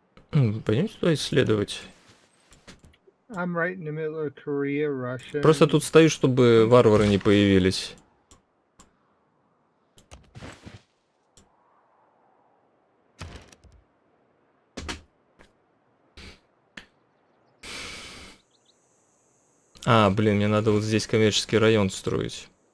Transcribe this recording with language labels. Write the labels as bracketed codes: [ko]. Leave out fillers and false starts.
[ru] Пойдем сюда исследовать. [en] I'm right in the middle of Korea, Russia. [ru] Просто тут стою, чтобы варвары не появились. А, блин, мне надо вот здесь коммерческий район строить.